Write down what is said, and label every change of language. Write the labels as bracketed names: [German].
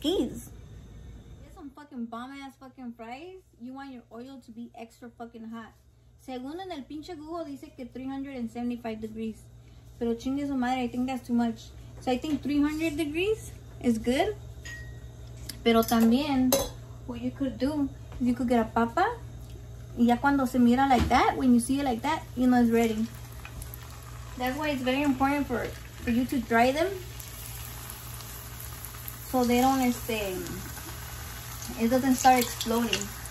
[English] You get some fucking bomb ass fucking fries, you want your oil to be extra fucking hot. [Spanish] Según en el pinche Google, dice que 375 degrees. Pero chingue su madre, [English] I think that's too much. So I think 300 degrees is good. [Spanish] Pero también, [English] what you could do, you could get a papa, [Spanish] y ya cuando se mira [English] like that, when you see it like that, you know it's ready. That's why it's very important for you to dry them, so they don't, it doesn't start exploding.